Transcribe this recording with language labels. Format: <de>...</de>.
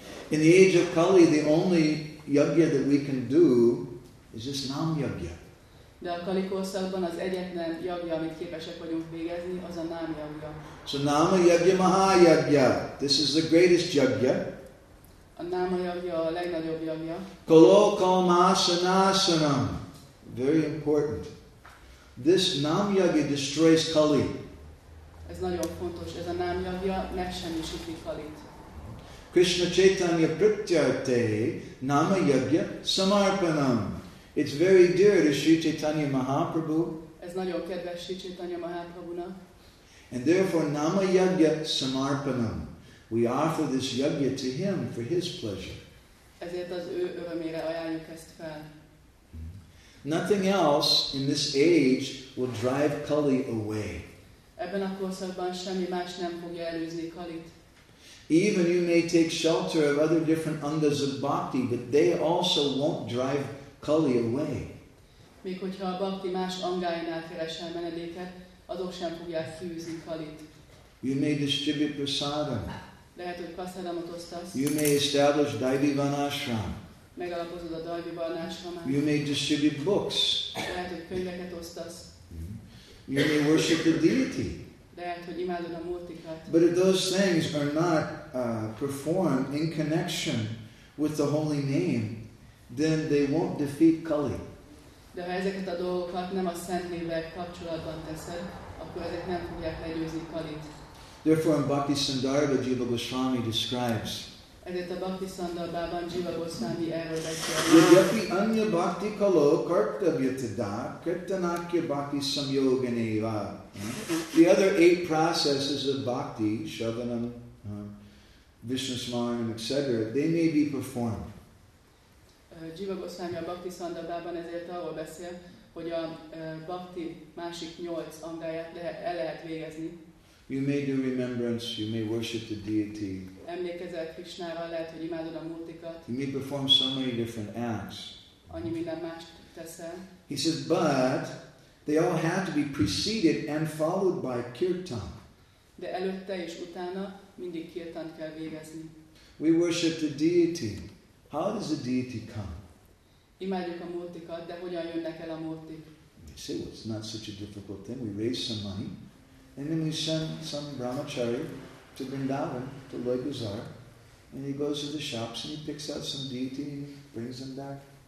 <en>In the age of Kali, the only yagya that we can do is this nam yagya.</en> <hu>De a Kali korszakban az egyetlen yagya, amit képesek vagyunk végezni, az a nam yagya.</hu> <en>So</en> <sa>nama yagya maha yagya.</sa> <en>This is the greatest yagya.</en> <hu>A nama yagya a legnagyobb yagya.</hu> <sa>Kalo kalmasanasanam.</sa> <en>Very important. This Nam Yagya destroys Kali.</en> <hu>Ez nagyon fontos. Ez a Nam Yagya megsemmisíti Kalit.</hu> <sa>Krishna Chaitanya Prityarte Nama Yagya Samarpanam.</sa> <en>It's very dear to Sri Chaitanya Mahaprabhu.</en> <hu>Ez nagyon kedves Sri Chaitanya Mahaprabhunak.</hu> <en>And therefore</en> <sa>Nama Yagya Samarpanam.</sa> <en>We offer this Yagya to him for his pleasure.</en> <hu>Ezért az ő örömére ajánljuk ezt fel.</hu> <en>Nothing else in this age will drive Kali away.</en> <hu>Ebben a korszakban semmi más nem fogja előzni Kalit.</hu> <en>Even you may take shelter of other different angas of bhakti, but they also won't drive Kali away.</en> <hu>Még hogyha a bhakti más angáinál keresel menedéket, azok sem fogják fűzni Kalit.</hu> <en>You may distribute prasadam.</en> <hu>Lehet, hogy prasadamot osztasz.</hu> <en>You may establish daivivan ashram.</en> <hu>Megalapozod a Dajviban ashramát.</hu> <en>You may distribute books.</en> <hu>Lehet, hogy könyveket osztasz.</hu> <en>You may worship the deity.</en> <hu>Lehet, hogy imádod a múltikat.</hu> <en>But if those things are not performed in connection with the holy name, then they won't defeat Kali.</en> <hu>De ha ezeket a dolgokat nem a szent névvel kapcsolatban teszed, akkor ezek nem fogják legyőzni Kalit.</hu> <en>Therefore, in Bhakti Sandarbha, Jiva Goswami describes.</en> <hu>Ezért a Bhakti Sandarbhában Jiva Goswami erről beszél.</hu> <sa>Yadyapi anya bhakti kalo kartavya tada kirtanakya bhakti samyoganeva.</sa> <en>The other eight processes of bhakti, shravanam, Vishnu smaranam, etc., they may be performed.</en> <hu>Jiva Goswami a Bhakti Sandarbhában ezért arról beszél, hogy a bhakti másik nyolc angáját el lehet végezni.</hu> <en>You may do remembrance, you may worship the deity.</en> <hu>Emlékezel Krishnára, lehet, hogy imádod a múltikat.</hu> <en>You may perform so many different acts.</en> <hu>Annyi minden mást teszel.</hu> <en>He says, but They all have to be preceded and followed by kirtan.</en> <hu>De előtte és utána mindig kirtant kell végezni.</hu> <en>We worship the deity. How does the deity come?</en> <hu>Imádjuk a múrtikat, de hogyan jönnek el a múrtik?</hu> <en>We say, well, it's not such a difficult thing. We raise some money, and then we send some brahmachari to Vrindavan, to Loi Bazaar, and he goes to the shops and he picks out some deity and brings them back.</en>